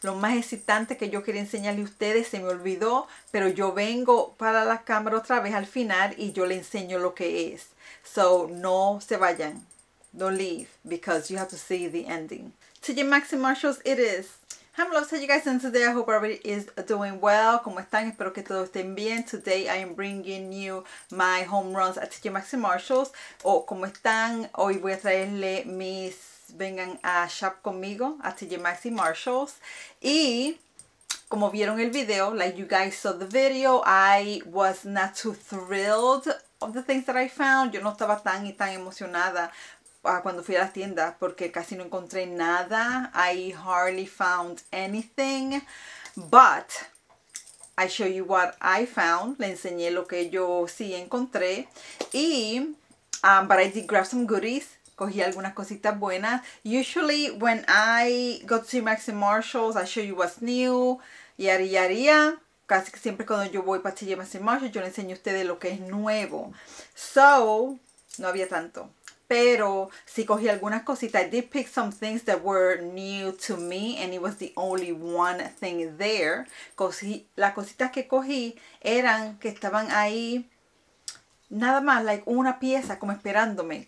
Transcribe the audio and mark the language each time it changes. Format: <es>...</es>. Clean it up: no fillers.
<es>Lo más excitante que yo quería enseñarle a ustedes se me olvidó, pero yo vengo para la cámara otra vez al final y yo le enseño lo que es. So, no se vayan.</es> <en>Don't leave, because you have to see the ending. TJ Maxx and Marshalls, it is. Hi, my loves. How are you guys doing today? I hope everybody is doing well.</en> <es>¿Cómo están? Espero que todos estén bien.</es> <en>Today, I am bringing you my home runs at TJ Maxx and Marshalls.</en> <es>Oh, ¿cómo están? Hoy voy a traerle mis... Vengan a shop conmigo, a TJ Maxx and Marshalls. Y como vieron el video,</es> <en>like you guys saw the video, I was not too thrilled of the things that I found.</en> <es>Yo no estaba tan y tan emocionada cuando fui a las tiendas, porque casi no encontré nada.</es> <en>I hardly found anything, but I show you what I found.</en> <es>Le enseñé lo que yo sí encontré, y</es> <en>but I did grab some goodies.</en> <es>Cogí algunas cositas buenas.</es> <en>Usually when I go to Max and Marshalls, I show you what's new, yari yari.</en> <es>Casi siempre cuando yo voy para TJ Maxx and Marshalls, yo le enseño a ustedes lo que es nuevo. So no había tanto, pero sí cogí algunas cositas.</es> <en>I did pick some things that were new to me, and it was the only one thing there.</en> <es>Las cositas que cogí eran que estaban ahí nada más, like una pieza, como esperándome.</es>